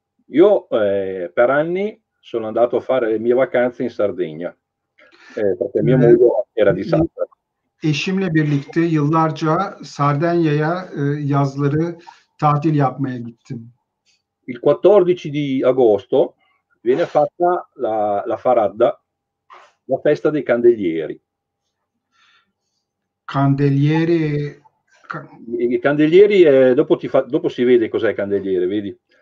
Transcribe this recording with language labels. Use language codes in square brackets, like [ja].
[it] Io per anni sono andato a fare le mie vacanze in Sardegna. Perché mia moglie era di Sardegna. [tr] Eşimle birlikte yıllarca Sardegna'ya yazları tatil yapmaya gittim. [it] Il 14 di agosto viene fatta la faradda, la festa dei candelieri. Candelieri. I candelieri, dopo si vede cos'è il candeliere, vedi?